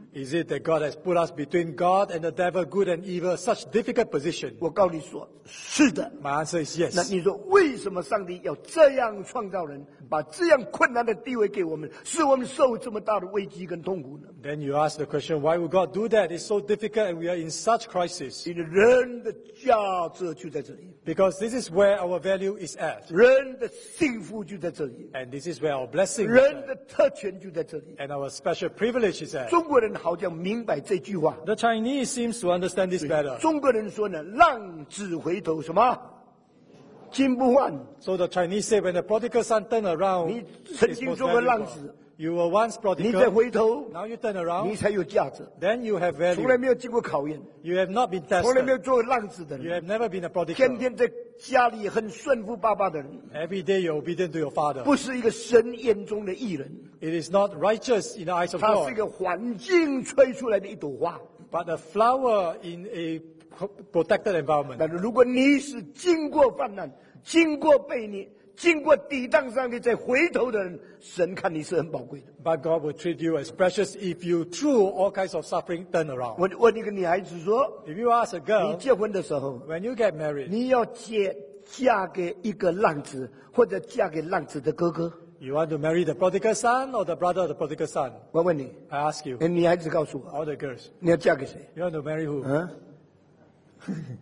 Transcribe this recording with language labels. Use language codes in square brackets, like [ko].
[en] ？Is it that God has put us between God and the devil, good and evil, such difficult position？ [zh] 我告诉你说，是的。 [en] My answer is yes。 [zh] 那你说，为什么上帝要这样创造人，把这样困难的地位给我们，使我们受这么大的危机跟痛苦呢 [en] ？Then you ask the question, why would God do that? It's so difficult, and we are in such crisis。 [zh] 因为人的价值就在这里。 [en] Because this is where our value is at. [zh] 人的幸福就在这里。 [en] And this is where our blessing is at. [zh] 人的特权就在这里。 [en] And our special privilege is at. [zh] 中国人好像明白这句话。 [en] The Chinese seems to understand this better. [zh] 中国人说呢，浪子回头什么？金不换。 [en] So the Chinese say when the prodigal son turned around, [zh] 你曾经做过浪子。 [en] You were once prodigal. [zh] 你再回头， [en] now you turn around, [zh] 你才有价值。 [en] Then you have value. [zh] 从来没有经过考验。 [en] You have not been tested. [zh] 从来没有做浪子的人。 [en] You have never been a prodigal. [zh] 天天在家里很顺服爸爸的人。 [en] Every day you're obedient to your father. [zh] 不是一个神眼中的义人。 [en] It is not righteous in the eyes of God. [zh] 他是一个环境吹出来的一朵花。 [en] But a flower in a protected environment. [zh] 但是如果你是经过患难，经过悖逆。经过抵挡上帝再回头的人，神看你是很宝贵的。 [en] But God will treat you as precious if you through all kinds of suffering turn around. [zh] 我问一个女孩子说 [en] ，If you ask a girl， [zh] 你结婚的时候 [en] ，When you get married， [zh] 你要嫁给一个浪子，或者嫁给浪子的哥哥 [en] ？You want to marry the prodigal son or the brother of the prodigal son？ [zh] 我问你 [en] ，I ask you， [zh] 女孩子告诉我 [en] ，All the girls， [zh] 你要嫁给谁 [en] ？You want to marry who？